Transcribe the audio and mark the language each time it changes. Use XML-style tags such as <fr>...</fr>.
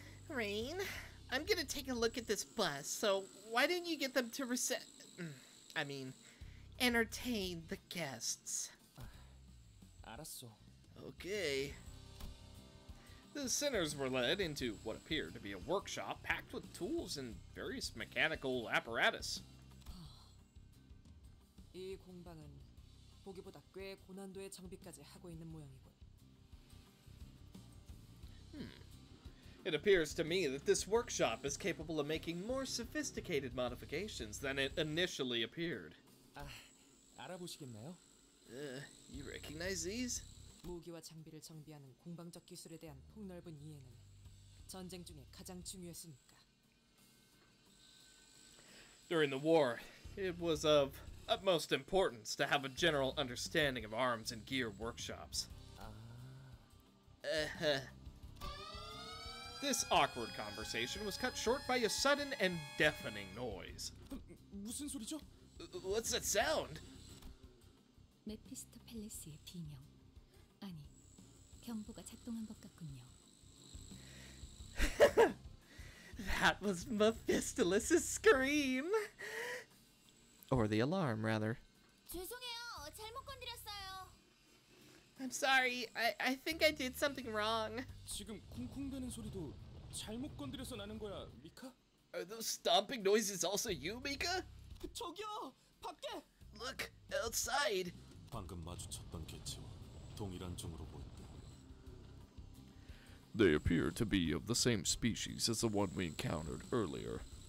<en>Rain, I'm gonna take a look at this bus, so why didn't you get them to entertain the guests?</en> <ko>알았어.</ko> <en>Okay. The sinners were led into what appeared to be a workshop packed with tools and various mechanical apparatus.</en> <ko>이 공방은 보기보다 꽤 고난도의 장비까지 하고 있는 모양이군.</ko> <en>It appears to me that this workshop is capable of making more sophisticated modifications than it initially appeared.</en> <ko>아, 알아보시겠나요?</ko> <en>You recognize these?</en> <ko>무기와 장비를 정비하는 공방적 기술에 대한 폭넓은 이해는 전쟁 중에 가장 중요했으니까.</ko> <en>During the war, it was of utmost importance to have a general understanding of arms and gear workshops. This awkward conversation was cut short by a sudden and deafening noise.</en> <ko>무슨 소리죠?</ko> <en>What's that sound?</en> <ko>메피스토 팰리스의 비명. 아니, 경보가 작동한 것 같군요.</ko> <en>That was Mephistolus' scream! Or the alarm, rather.</en> <ko>죄송해요, 잘못 건드렸어요.</ko> <en>I'm sorry, I think I did something wrong.</en> <ko>지금 쿵쿵대는 소리도 잘못 건드려서 나는 거야, 미카?</ko> <en>Are those stomping noises also you, Mika?</en> <ko>저기요, 밖에!</ko> <en>Look, outside!</en> <ko>방금 마주쳤던 개체 종이란 종으로 보인대요.</ko> <en>They appear to be of the same species as the one we encountered earlier.</en>